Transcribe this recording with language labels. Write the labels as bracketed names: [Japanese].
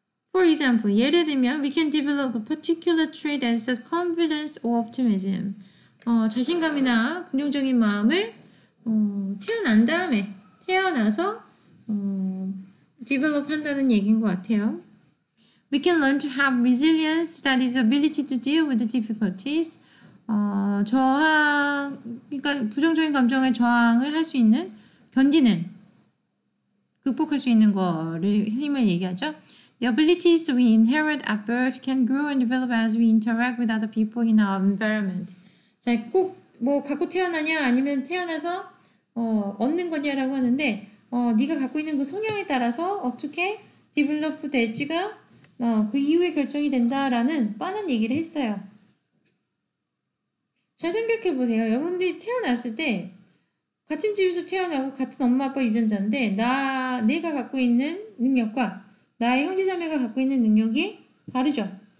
[English] For example, [Korean] 예를 들면 [English] we can develop a particular trait as such confidence or optimism. [Korean] 자신감이나 긍정적인 마음을 태어난 다음에 태어나서 develop 한다는 얘기인 것 같아요. [English] We can learn to have resilience, that is ability to deal with the difficulties. [Korean] 저항, 그러니까 부정적인 감정에 저항을 할 수 있는, 견디는, 극복할 수 있는 거를 힘을 얘기하죠. [English] The abilities we inherit at birth can grow and develop as we interact with other people in our environment. [Korean] 자, 꼭 뭐 갖고 태어나냐 아니면 태어나서 얻는 거냐라고 하는데 네가 갖고 있는 그 성향에 따라서 어떻게 develop 될지가 그 이후에 결정이 된다라는 빠른 얘기를 했어요. 잘 생각해보세요. 여러분들이 태어났을 때 같은 집에서 태어나고 같은 엄마 아빠 유전자인데 내가 갖고 있는 능력과 나의 형제자매가 갖고 있는 능력이 다르죠?